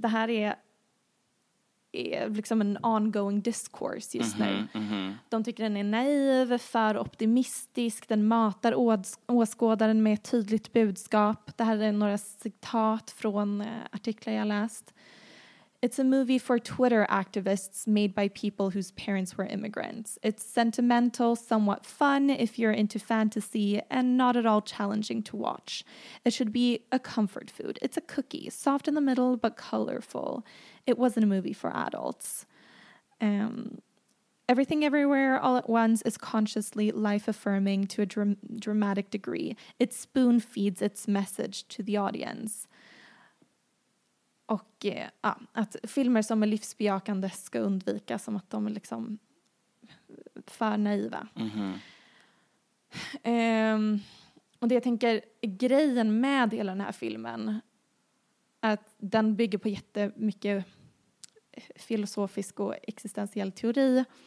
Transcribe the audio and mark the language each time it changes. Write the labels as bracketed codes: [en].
[sv] Det här är liksom en [en] ongoing discourse [sv] just nu. De tycker den är naiv, för optimistisk, den matar åskådaren med ett tydligt budskap. Det här är några citat från artiklar jag läst. [en] It's a movie for Twitter activists made by people whose parents were immigrants. It's sentimental, somewhat fun if you're into fantasy, and not at all challenging to watch. It should be a comfort food. It's a cookie, soft in the middle but colorful. It wasn't a movie for adults. Everything Everywhere All at Once is consciously life-affirming to a dramatic degree. It spoon-feeds its message to the audience. [sv] Och att filmer som är livsbejakande ska undvikas, som att de är liksom för naiva. Och det jag tänker, grejen med hela den här filmen är att den bygger på jättemycket filosofisk och existentiell teori.